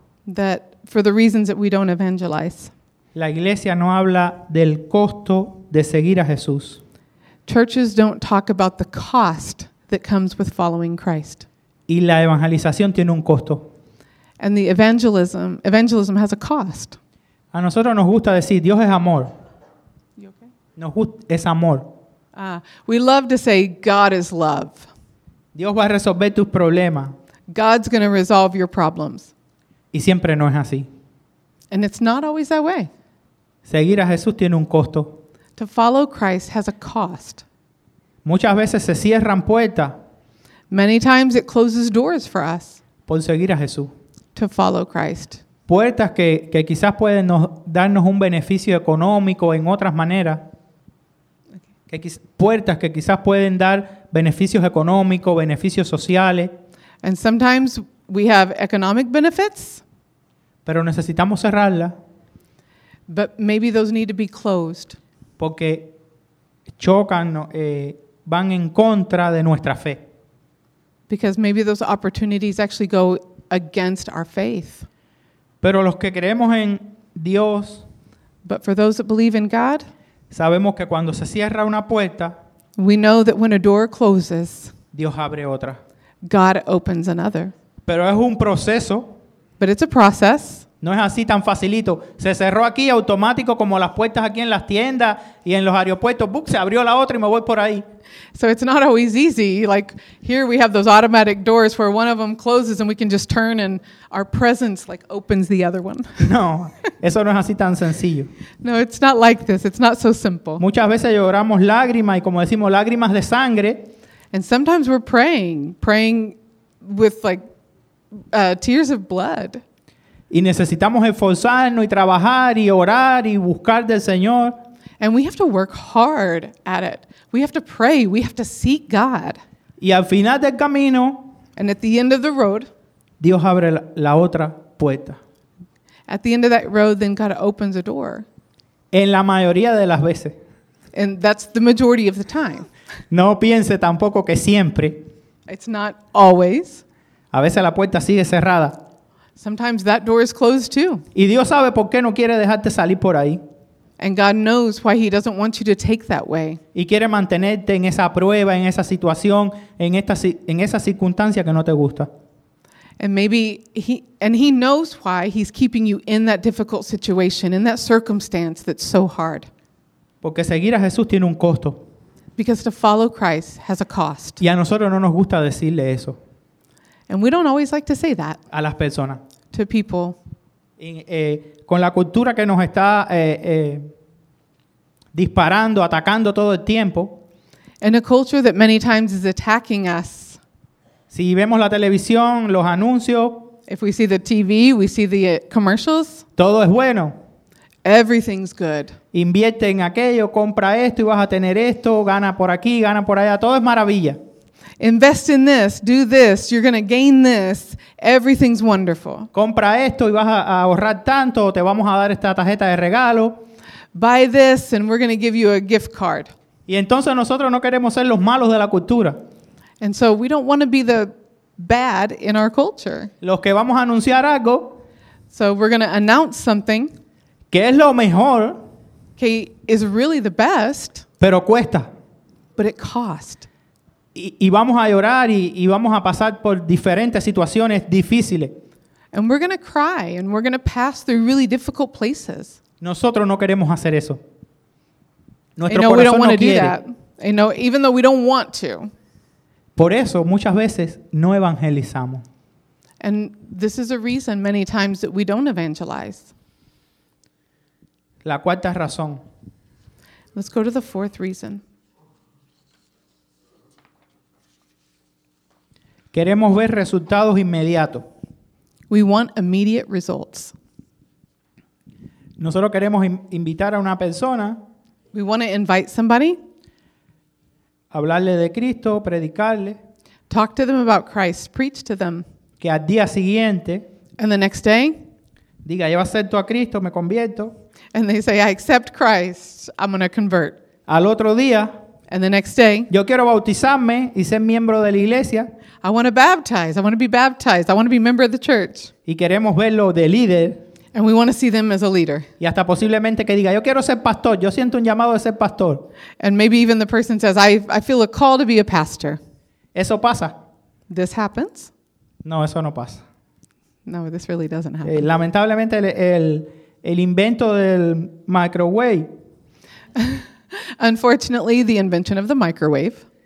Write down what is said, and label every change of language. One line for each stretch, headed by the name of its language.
English: That for the reasons that we don't evangelize.
Spanish: La iglesia no habla del costo de seguir a Jesús.
English: Churches don't talk about the cost that comes with following Christ.
Spanish: Y la evangelización tiene un costo.
English: And the evangelism has a cost.
Spanish: A nosotros nos gusta decir Dios es amor.
English: You okay?
Spanish: Es amor.
English: We love to say God is love.
Spanish: Dios va a resolver tus problemas.
English: God's going to resolve your problems.
Spanish: Y siempre no es así.
English: And it's not always that way.
Spanish: Seguir a Jesús tiene un costo.
English: To follow Christ has a cost.
Spanish: Muchas veces se cierran puertas.
English: Many times it closes doors for us.
Spanish: Por seguir a Jesús.
English: To follow Christ.
Spanish: Puertas que quizás pueden darnos un beneficio económico en otras maneras. Puertas que quizás pueden dar beneficios económicos, beneficios sociales.
English: And sometimes we have economic benefits.
Spanish: Pero necesitamos cerrarlas.
English: But maybe those need to be closed.
Spanish: Porque chocan, van en contra de nuestra fe.
English: Because maybe those opportunities actually go against our faith.
Spanish: Pero los que creemos en Dios,
English: but for those that believe in God,
Spanish: sabemos que cuando se cierra una puerta,
English: we know that when a door closes,
Spanish: Dios abre otra.
English: God opens another.
Spanish: Pero es un proceso.
English: But it's a process.
Spanish: No es así tan facilito. Se cerró aquí automático como las puertas aquí en las tiendas y en los aeropuertos. Se abrió la otra y me voy por ahí.
English: So it's not always easy. Like here we have those automatic doors where one of them closes and we can just turn and our presence like opens the other one.
Spanish: No, eso no es así tan sencillo.
English: No, it's not like this. It's not so simple.
Spanish: Muchas veces lloramos lágrimas y como decimos lágrimas de sangre.
English: And sometimes we're praying with like tears of blood.
Spanish: Y necesitamos esforzarnos y trabajar y orar y buscar del Señor.
English: And we have to work hard at it. We have to pray. We have to seek God.
Spanish: Y al final del camino,
English: and at the end of the road,
Spanish: Dios abre la otra puerta.
English: At the end of that road, then God opens a door.
Spanish: En la mayoría de las veces.
English: And that's the majority of the time.
Spanish: No piense tampoco que siempre.
English: It's not always.
Spanish: A veces la puerta sigue cerrada.
English: Sometimes that door is closed too.
Spanish: Y Dios sabe por qué no quiere dejarte salir por ahí.
English: And God knows why he doesn't want you to take that way.
Spanish: Y quiere mantenerte en esa prueba, en esa situación, en esa circunstancia que no te gusta.
English: And maybe he knows why he's keeping you in that difficult situation, in that circumstance that's so hard.
Spanish: Porque seguir a Jesús tiene un costo.
English: Because to follow Christ has a cost.
Spanish: Y a nosotros no nos gusta decirle eso.
English: And we don't always like to say that.
Spanish: A las personas.
English: To people.
Spanish: Y, con la cultura que nos está disparando, atacando todo el tiempo.
English: In a culture that many times is attacking us.
Spanish: Si vemos la televisión, los anuncios.
English: If we see the TV, we see the commercials.
Spanish: Todo es bueno.
English: Everything's good.
Spanish: Invierte en aquello, compra esto y vas a tener esto, gana por aquí, gana por allá, todo es maravilla.
English: Invest in this, do this, you're going to gain this. Everything's wonderful.
Spanish: Compra esto y vas a ahorrar tanto, te vamos a dar esta tarjeta de regalo.
English: Buy this and we're going to give you a gift card.
Spanish: Y entonces nosotros no queremos ser los malos de la cultura.
English: And so we don't want to be the bad in our culture.
Spanish: Los que vamos a anunciar algo.
English: So we're going to announce something.
Spanish: Que es lo mejor.
English: Que is really the best.
Spanish: Pero cuesta.
English: But it cost.
Spanish: Y vamos a llorar y vamos a pasar por diferentes situaciones difíciles.
English: And we're going to cry and we're going to pass through really difficult places.
Spanish: Nosotros no queremos hacer eso. Nuestro corazón no quiere.
English: I know we don't want to do that. I know, even though we don't want to.
Spanish: Por eso muchas veces no evangelizamos.
English: And this is a reason many times that we don't evangelize.
Spanish: La cuarta razón.
English: Let's go to the fourth reason.
Spanish: Queremos ver resultados inmediatos.
English: We want immediate results.
Spanish: Nosotros queremos invitar a una persona.
English: We want to invite somebody.
Spanish: Hablarle de Cristo, predicarle.
English: Talk to them about Christ, preach to them.
Spanish: Que al día siguiente.
English: And the next day.
Spanish: Diga, yo acepto a Cristo, me convierto.
English: And they say, I accept Christ, I'm going to convert.
Spanish: Al otro día.
English: And the next day.
Spanish: Yo quiero bautizarme y ser miembro de la iglesia.
English: I want to baptize, I want to be baptized, I want to be a member of the church.
Spanish: Y queremos verlo de líder.
English: And we want to see them as a leader.
Spanish: Y hasta posiblemente que diga, yo quiero ser pastor, yo siento un llamado de ser pastor.
English: And maybe even the person says, I feel a call to be a pastor.
Spanish: Eso pasa.
English: This happens.
Spanish: No, eso no pasa.
English: No, this really doesn't happen.
Spanish: Lamentablemente el invento del microwave.
English: Unfortunately, the invention of the microwave.